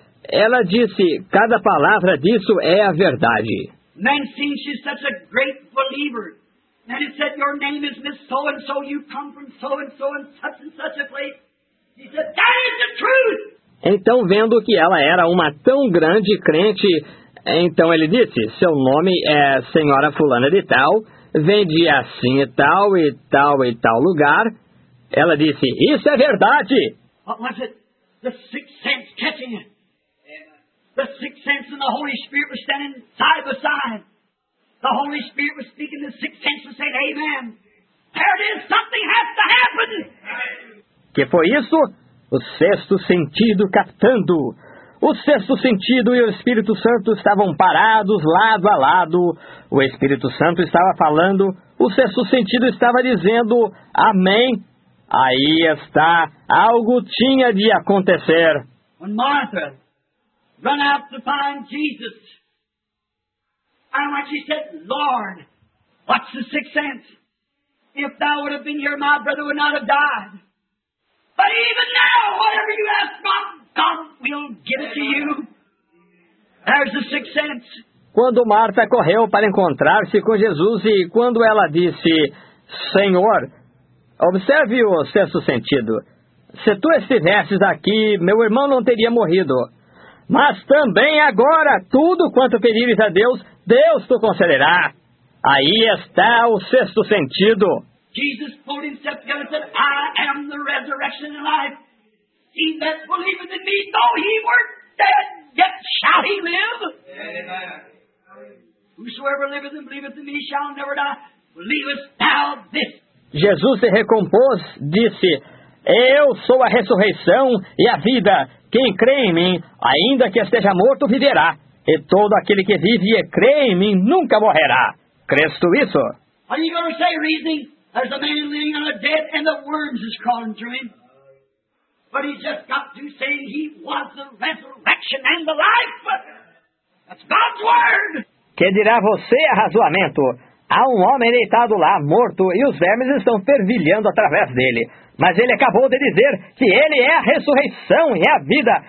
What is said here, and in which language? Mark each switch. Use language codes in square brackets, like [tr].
[pt] Ela disse, cada palavra disso é a verdade. [en] Nancy, she's such a great believer. And he said, your name is Miss So-and-so, you come from so-and-so and such a place. He said, that is the truth. [pt] Então, vendo que ela era uma tão grande crente, então ele disse, seu nome é Senhora Fulana de Tal, vem de assim e tal e tal lugar. Ela disse, isso é verdade. [en] What was it? The sixth sense catching it. The sixth sense and the Holy Spirit were standing side by side. The Holy Spirit was speaking the sixth sense and saying, amen. There it is, something has to happen. [pt] Que foi isso? O sexto sentido captando. O sexto sentido e o Espírito Santo estavam parados lado a lado. O Espírito Santo estava falando, o sexto sentido estava dizendo, amém. Aí está, algo tinha de acontecer. [en] When Martha ran out to find Jesus, and when she said, Lord, what's the sixth sense? If thou would have been here, my brother would not have died. But even now, whatever you ask God, God will give it to you. There's the sixth sense. [pt] Quando Marta correu para encontrar-se com Jesus e quando ela disse, Senhor, observe o sexto sentido. Se tu estivesses aqui, meu irmão não teria morrido. Mas também agora, tudo quanto pedires a Deus, Deus te concederá. Aí está o sexto sentido. [en] Jesus pulled himself together and said, I am the resurrection and life. He that believeth in me, though he were dead, yet shall he live. Amen. Whosoever liveth and believeth in me shall never die. Believest thou this? [pt] Jesus se recompôs, disse, eu sou a ressurreição e a vida. Quem crê em mim, ainda que esteja morto, viverá. E todo aquele que vive e crê em mim, nunca morrerá. Crês tu isso? [en] What are you going to say, reasoning? There's a man laying on a dead and the worms is crawling through him. But he's just got to say he was the resurrection and the life. That's God's word. [pt] Que dirá você a razoamento? Há um homem deitado lá, morto, e os vermes estão fervilhando através dele. Mas ele acabou de dizer que ele é a ressurreição e a vida.